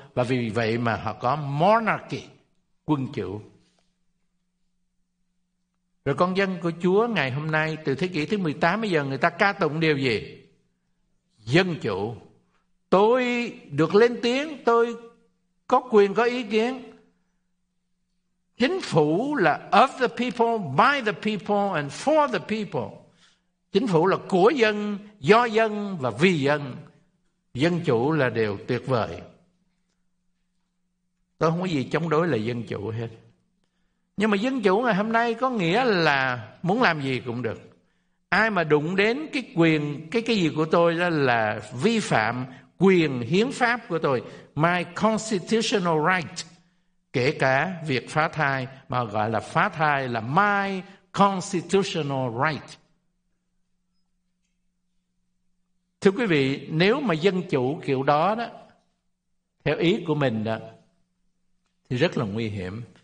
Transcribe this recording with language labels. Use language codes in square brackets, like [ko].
[vi] Và vì vậy mà họ có monarchy, quân chủ. Rồi con dân của Chúa ngày hôm nay, từ thế kỷ thứ 18 bây giờ, người ta ca tụng điều gì? Dân chủ. Tôi được lên tiếng, tôi có quyền có ý kiến. Chính phủ là [en] of the people, by the people and for the people. [vi] Chính phủ là của dân, do dân và vì dân. Dân chủ là điều tuyệt vời. Tôi không có gì chống đối lại dân chủ hết. Nhưng mà dân chủ ngày hôm nay có nghĩa là muốn làm gì cũng được. Ai mà đụng đến cái quyền, cái gì của tôi đó là vi phạm quyền hiến pháp của tôi. [en] My constitutional right. [vi] Kể cả việc phá thai, mà gọi là phá thai là [en] my constitutional right. [vi] Thưa quý vị, nếu mà dân chủ kiểu đó đó, theo ý của mình đó, thì rất là nguy hiểm.